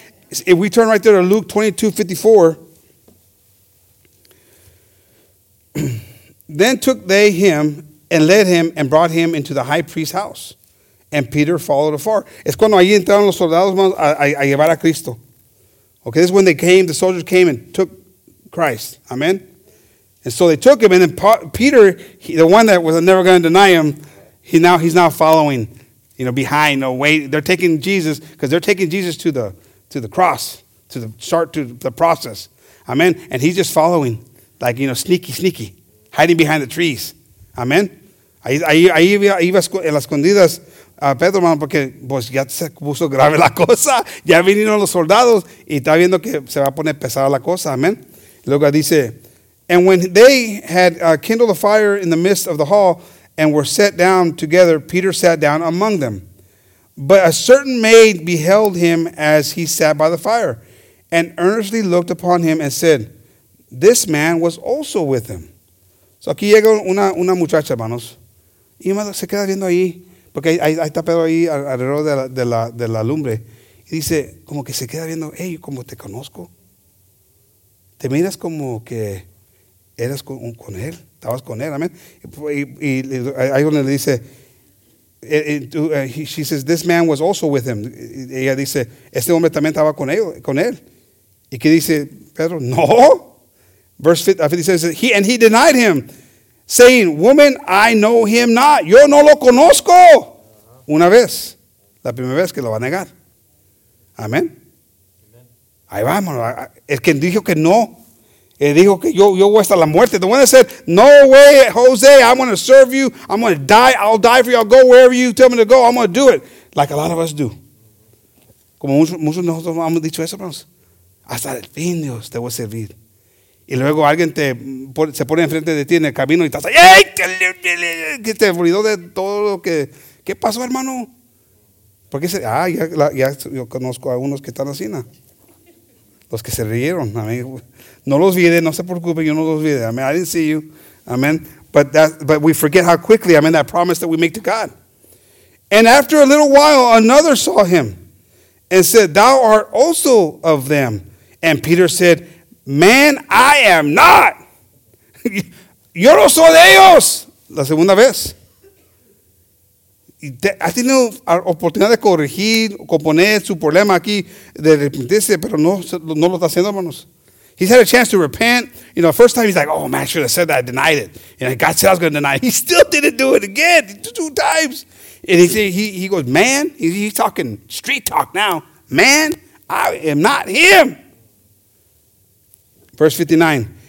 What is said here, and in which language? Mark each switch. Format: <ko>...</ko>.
<en>If we turn right there to Luke 22:54, then took they him and led him and brought him into the high priest's house, and Peter followed afar.</en> <es>Es cuando ahí entraron los soldados a llevar a Cristo.</es> <en>Okay, this is when they came. The soldiers came and took Christ. Amen. And so they took him, and then Peter, the one that was never going to deny him, he's now following, you know, behind. No way, they're taking Jesus because they're taking Jesus to the cross, to the start, to the process. Amen. And he's just following, like, you know, sneaky, hiding behind the trees. Amen.</en> <es>Ahí iba en las escondidas a Pedro, hermano, porque pues ya se puso grave la cosa. Ya vinieron los soldados y está viendo que se va a poner pesada la cosa.</es> <en>Amen.</en> <es>Luego dice,</es> <en>and when they had kindled a fire in the midst of the hall and were set down together, Peter sat down among them. But a certain maid beheld him as he sat by the fire and earnestly looked upon him and said, this man was also with him.</en> <es>So aquí llega una muchacha, hermanos. Y se queda viendo ahí, porque ahí está Pedro ahí alrededor de la lumbre. Y dice, como que se queda viendo, hey, como te conozco. Te miras como que eras con él, estabas con él, amén. Y hay uno le dice,</es> <en>she says, this man was also with him.</en> <es>Ella dice, este hombre también estaba con él. Y que dice Pedro, no.</es> <en>Verse 50 says, he denied him, saying, woman, I know him not.</en> <es>Yo no lo conozco. Uh-huh. Una vez. La primera vez que lo va a negar. Amén. Ahí vamos. El que dijo que no. Él dijo que yo voy hasta la muerte.</es> <en>The one that said, no way, Jose, I'm going to serve you. I'm going to die. I'll die for you. I'll go wherever you tell me to go. I'm going to do it. Like a lot of us do.</en> <es>Como muchos de nosotros hemos dicho eso, hermanos. Hasta el fin, Dios, te voy a servir. Y luego alguien se pone enfrente de ti en el camino y estás ahí. ¡Ey! Que te olvidó de todo lo que... ¿Qué pasó, hermano? Porque yo conozco a unos que están así, ¿no? Los que se rieron, amigo. No los olvide, no se preocupe, yo no los olvide.</es> <en>Amen. I didn't see you. Amen. But we forget how quickly, amen, that promise that we make to God. And after a little while, another saw him and said, thou art also of them. And Peter said, man, I am not.</en> <es>Yo no soy de ellos. La segunda vez. Ha tenido oportunidad de corregir, componer su problema aquí, de arrepentirse, pero no lo está haciendo, hermanos.</es> <en>He's had a chance to repent. You know, the first time he's like, oh man, I should have said that. I denied it. And God said I was going to deny it. He still didn't do it again. Two times. And he goes, man, he's talking street talk now. Man, I am not him. Verse 59.</en>